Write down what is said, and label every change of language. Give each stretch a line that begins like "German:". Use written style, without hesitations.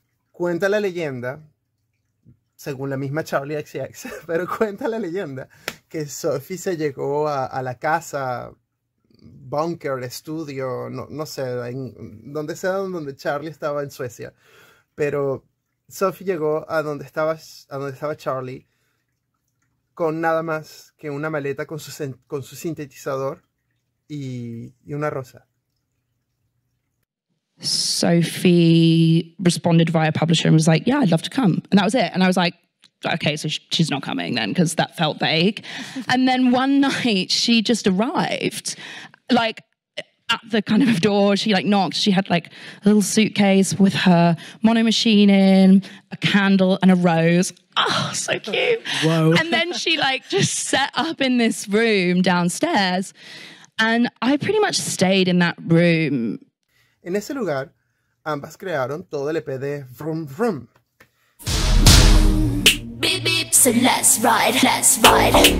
Spanish: Cuenta la leyenda, según la misma Charlie XCX, pero cuenta la leyenda que Sophie se llegó a la casa, bunker, estudio, no sé, en donde sea donde Charlie estaba en Suecia, pero Sophie llegó a donde estaba Charlie con nada más que una maleta con su sintetizador y una rosa.
English: Sophie responded via publisher and was like, yeah, I'd love to come. And that was it. And I was like, okay, so she's not coming then, because that felt vague. And then one night she just arrived, like, at the kind of door. She like knocked. She had like a little suitcase with her mono machine in, a candle and a rose. Oh, so cute. Whoa. And then she like just set up in this room downstairs. And I pretty much stayed in that room.
Spanish: En ese lugar, ambas crearon todo el EP de Vroom Vroom.
English: Beep, beep, so let's ride, let's ride.